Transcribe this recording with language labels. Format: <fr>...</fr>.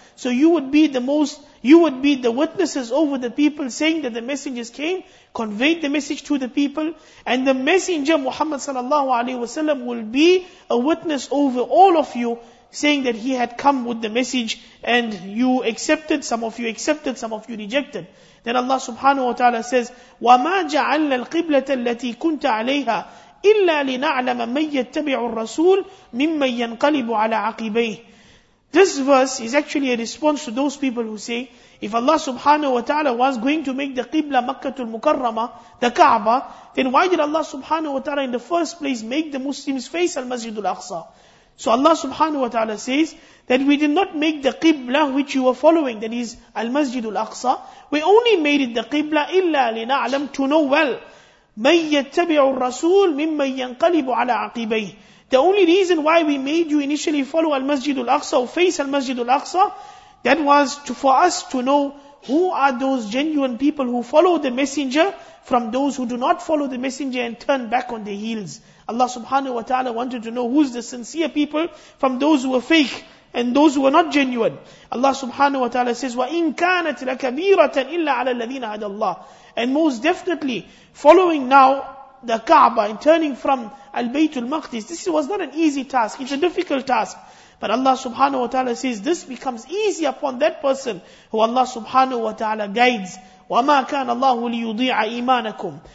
<en>So you would be the most, you would be the witnesses over the people saying that the messengers came, conveyed the message to the people, and the messenger Muhammad sallallahu alayhi wa sallam will be a witness over all of you, saying that he had come with the message and you accepted, some of you accepted, some of you rejected. Then Allah subhanahu wa ta'ala says,</en> <ar>وَمَا جَعَلْنَا الْقِبْلَةَ الَّتِي كُنْتَ عَلَيْهَا إِلَّا لِنَعْلَمَ مَنْ يَتَّبِعُ الرَّسُولِ مِمَّنْ يَنْقَلِبُ عَلَىٰ عَقِبَيْهِ.</ar> <en>This verse is actually a response to those people who say, if Allah subhanahu wa ta'ala was going to make the Qibla Makkatul Mukarrama, the Kaaba, then why did Allah subhanahu wa ta'ala in the first place make the Muslims face Al-Masjidul Aqsa? So Allah subhanahu wa ta'ala says that we did not make the Qibla which you were following, that is Al-Masjidul Aqsa. We only made it the Qibla</en> <ar>illa lina'alam,</ar> <en>to know well.</en> <ar>مَنْ يَتَّبِعُ الرَّسُولُ مِمَّنْ يَنْقَلِبُ عَلَىٰ عَقِبَيْهِ.</ar> <en>The only reason why we made you initially follow Al-Masjidul Aqsa or face Al-Masjidul Aqsa, that was to, for us to know who are those genuine people who follow the messenger from those who do not follow the messenger and turn back on their heels. Allah subhanahu wa ta'ala wanted to know who's the sincere people from those who were fake and those who were not genuine. Allah subhanahu wa ta'ala says,</en> <ar>وَإِن كَانَتْ لَكَبِيرَةً إِلَّا عَلَى الَّذِينَ هَدَى اللَّهِ.</ar> <en>And most definitely, following now the Kaaba and turning from Al-Baytul Maqdis, this was not an easy task, it's a difficult task. But Allah subhanahu wa ta'ala says, this becomes easy upon that person who Allah subhanahu wa ta'ala guides.</en> <ar>وَمَا كَانَ اللَّهُ لِيُضِيعَ إِيمَانَكُمْ.</ar>